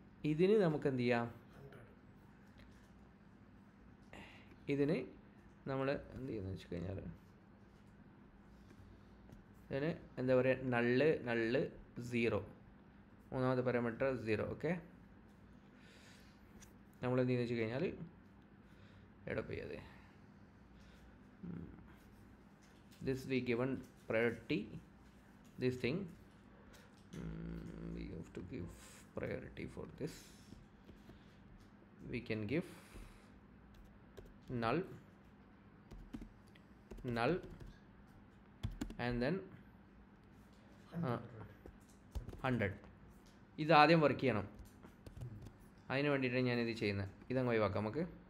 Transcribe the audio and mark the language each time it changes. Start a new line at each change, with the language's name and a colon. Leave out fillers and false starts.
Malayalam: ഇതിന് നമുക്കെന്ത് ചെയ്യാം, ഇതിന് നമ്മൾ എന്ത് ചെയ്യുന്നു വെച്ച് കഴിഞ്ഞാൽ, ഇതിന് എന്താ പറയുക, നള്ള് നള്ള് സീറോ, മൂന്നാമത്തെ പാരാമീറ്റർ സീറോ. ഓക്കെ, നമ്മൾ എന്ത് ചെയ്യുന്നു വെച്ച് കഴിഞ്ഞാൽ, എടുപ്പിയത് this V given priority this thing.
English: We have to give priority for this. We can give null, null, and then 100.
Malayalam: ഇത് ആദ്യം വർക്ക് ചെയ്യണം, അതിന് വേണ്ടിയിട്ട് ഞാനിത് ചെയ്യുന്നത്. ഇതങ്ങ് ഒഴിവാക്കാം നമുക്ക്.